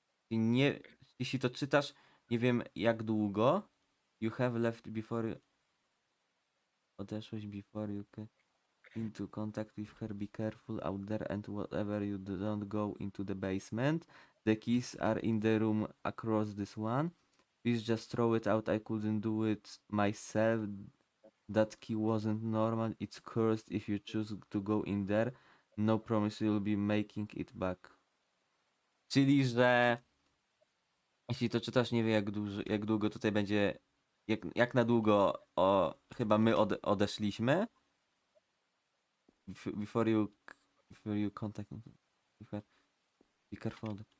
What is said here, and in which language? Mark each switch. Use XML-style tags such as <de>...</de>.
<pl>Nie, jeśli to czytasz, nie wiem jak długo.</pl> <en>You have left before.</en> <pl>Odeszłeś</pl> <en>before you came into contact with her. Be careful out there and whatever you do, don't go into the basement. The keys are in the room across this one. Please just throw it out. I couldn't do it myself. That key wasn't normal. It's cursed. If you choose to go in there, no promise you'll be making it back.</en> <pl>Czyli, że jeśli to czytasz, nie wie jak długo tutaj będzie, jak na długo chyba my odeszliśmy.</pl> <en>Before you contact me. Be careful.</en>